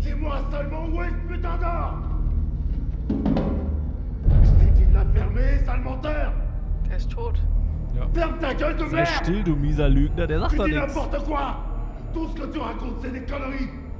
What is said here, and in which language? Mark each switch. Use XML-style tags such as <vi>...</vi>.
<fr>Dis-moi seulement où est ce putain d'or? Je t'ai dit de la fermer, sale menteur.</fr> <de>Der ist tot. Ja.</de> <fr>Ferme ta gueule, du</fr> <de>Mann! Sei still, du mieser Lügner, der sagt doch nichts.</de> <fr>Tu dis n'importe quoi! Tout ce que tu racontes, c'est des conneries!</fr>